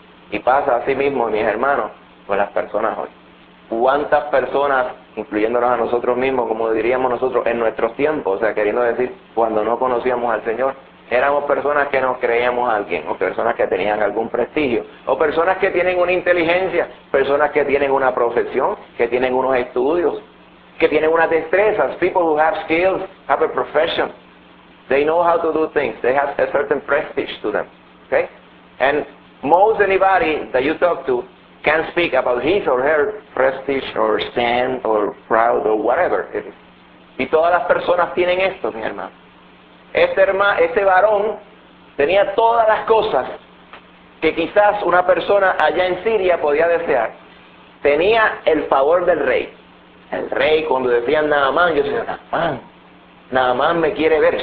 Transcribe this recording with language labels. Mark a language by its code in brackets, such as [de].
[es] Y pasa así mismo, mis hermanos, con las personas hoy. ¿Cuántas personas, incluyéndonos a nosotros mismos, como diríamos nosotros, en nuestros tiempos, o sea, queriendo decir, cuando no conocíamos al Señor, éramos personas que nos creíamos a alguien, o personas que tenían algún prestigio, o personas que tienen una inteligencia, personas que tienen una profesión, que tienen unos estudios, que tienen unas destrezas? [en] People who have skills, have a profession, they know how to do things, they have a certain prestige to them, okay? And most anybody that you talk to can speak about his or her prestige or stand or proud or whatever it is. [es] Y todas las personas tienen esto, mi hermano. Este varón tenía todas las cosas que quizás una persona allá en Siria podía desear. Tenía el favor del rey. El rey, cuando decían Naamán, yo decía, Naamán, Naamán me quiere ver.